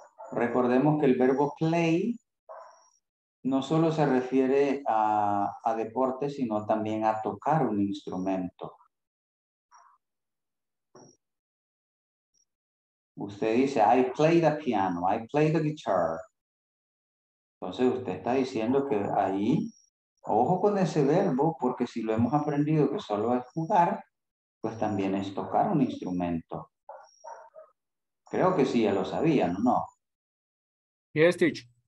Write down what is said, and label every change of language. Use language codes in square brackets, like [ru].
[es] Recordemos que el verbo play no solo se refiere a deporte, sino también a tocar un instrumento. Usted dice, [en] I play the piano, I play the guitar. [es] Entonces usted está diciendo que ahí, ojo con ese verbo, porque si lo hemos aprendido que solo es jugar, pues también es tocar un instrumento. Creo que sí, ya lo sabían, ¿no? [en] Yes, teacher.